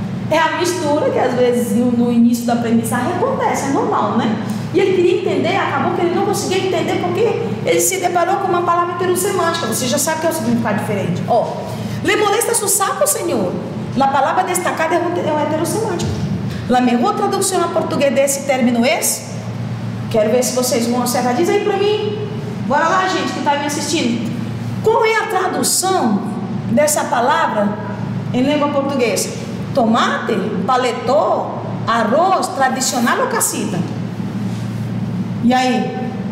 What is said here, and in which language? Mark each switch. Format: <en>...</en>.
<pt>É a mistura que, às vezes, no início da aprendizagem acontece, é normal, né? E ele queria entender, acabou que ele não conseguia entender porque ele se deparou com uma palavra heterosemântica. Você já sabe que é um significado diferente. Ó,</pt> <es>le molesta su saco,</es> <pt>senhor. La palavra destacada é um heterosemântico.</pt> <es>La mejor traducción a português desse término es?</es> <pt>Quero ver se vocês vão acertar. Diz aí para mim. Bora lá, gente, que está me assistindo. Qual é a tradução dessa palavra em língua portuguesa? Tomate, paletó, arroz, tradicional ou casita? E aí?</pt>